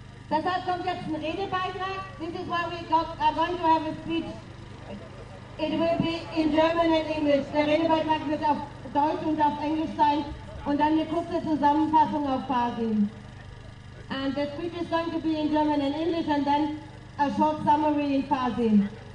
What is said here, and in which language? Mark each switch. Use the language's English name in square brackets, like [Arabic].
[German] Deshalb kommt jetzt ein Redebeitrag. [English] This is why are going to have a speech. It will be in German and English. [German] Der Redebeitrag wird auf Deutsch und auf Englisch sein. Und dann eine kurze Zusammenfassung auf Farsi. [English] And the speech is going to be in German and English and then a short summary in Farsi.